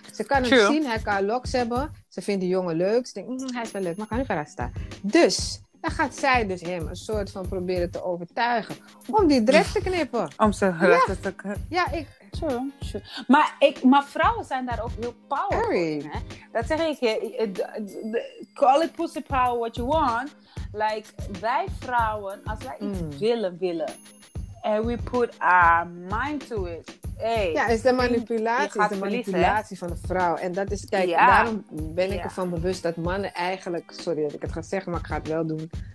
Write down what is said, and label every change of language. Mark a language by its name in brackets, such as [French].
[Dutch] Ze kan het zien, hij kan locks hebben. Ze vindt die jongen leuk. Ze denkt, hij is wel leuk, maar kan niet verrast staan. Dus, dan gaat zij dus hem een soort van proberen te overtuigen. Om die dress te knippen. Om zijn dress te knippen. Ja, ik. [English] True. [Dutch] Maar vrouwen zijn daar ook heel powerful in. Dat zeg ik. [English] Call it pussy power what you want. [Dutch] Like, wij vrouwen, als wij iets willen. [English] And we put our mind to it. Hey, [Dutch] ja, is de manipulatie van de vrouw. En dat is, daarom ben ik ervan bewust dat mannen eigenlijk, sorry dat ik het ga zeggen, maar ik ga het wel doen.